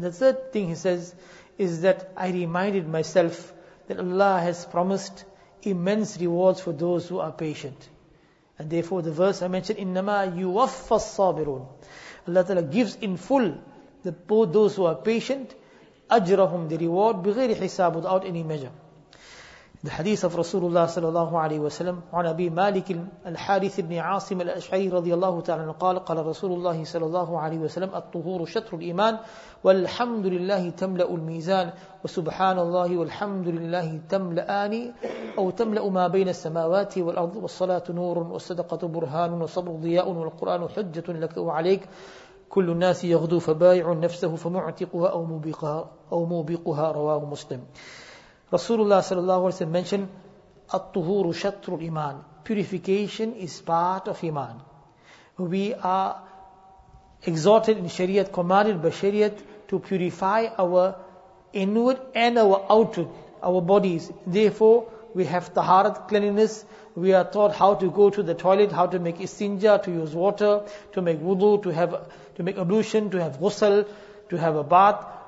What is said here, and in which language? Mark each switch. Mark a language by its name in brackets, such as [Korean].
[English] And the third thing he says is that I reminded myself that Allah has promised immense rewards for those who are patient. And therefore the verse I mentioned, [Arabic] إِنَّمَا يُوَفَّ الصَّابِرُونَ, [English] Allah Ta'ala gives in full the both those who are patient, أَجْرَهُمْ, the reward, [Arabic] بِغَيْرِ حِسَابٍ, [English] without any measure. The hadith of Rasulullah [Arabic] sallallahu alayhi wa sallam, عن أبي مالك الحارث بن عاصم الأشعري رضي الله تعالى عنه قال, قال رسول الله صلى الله عليه وسلم, الطهور شطر الإيمان, والحمد لله تملأ الميزان, وسبحان الله والحمد لله تملأان أو تملأ ما بين السماوات والأرض, والصلاة نور, والصدقة برهان, والصبر ضياء, والقرآن حجة لك وعليك, كل الناس يغدو فبايع نفسه فمعتقها أو موبقها, أو موبقها, رواه مسلم. [English] Rasulullah sallallahu alaihi wasallam mentioned, [Arabic] "At-tuhuru shatrul iman." [English] Purification is part of iman. We are exhorted in Shariat, commanded by Shariat to purify our inward and our outward, our bodies. Therefore, we have taharat, cleanliness. We are taught how to go to the toilet, how to make istinja, to use water, to make wudu, to make ablution, to have ghusl, to have a bath.